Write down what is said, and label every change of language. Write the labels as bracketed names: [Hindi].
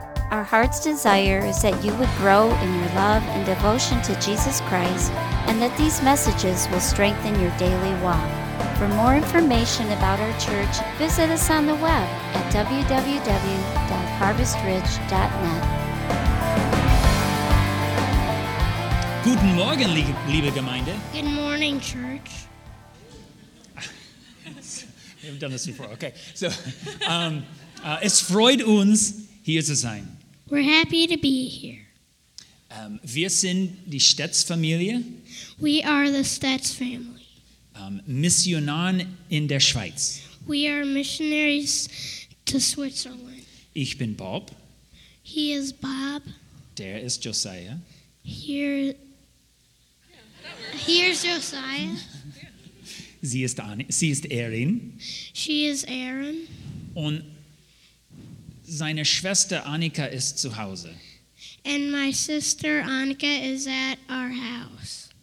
[English] Our heart's desire is that you would grow in your love and devotion to Jesus Christ, and that these messages will strengthen your daily walk. For more information about our church, visit us on the web at www.harvestridge.net. [German] Guten Morgen, liebe Gemeinde. [English] Good morning, church. We haven't done this before. Okay. [German] So, es freut uns, hier zu sein. [English] We're happy to be here. [German] Wir sind die Stets-Familie. [English] We are the Stets family. [German] Missionaren in der Schweiz. [English] We are missionaries to Switzerland. [German] Ich bin Bob. [English] He is Bob. [German] Der ist Josiah. [English] Here's Josiah. [German] Sie ist Erin. [English] She is Erin. [German] Und seine Schwester Annika ist zu Hause. [English] And my sister Annika is at our house.